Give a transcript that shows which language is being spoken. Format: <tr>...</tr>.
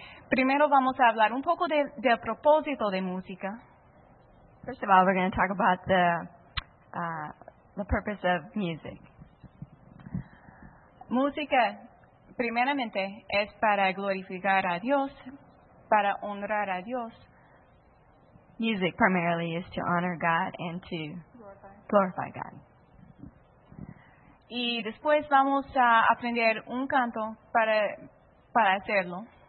<es>Primero vamos a hablar un poco del propósito de música.</es> <en>First of all, we're going to talk about the purpose of music.</en> <es>Música, primeramente, es para glorificar a Dios, para honrar a Dios.</es> <en>Music primarily is to honor God and to glorify God.</en> <es>Y después vamos a aprender un canto para hacerlo.</es>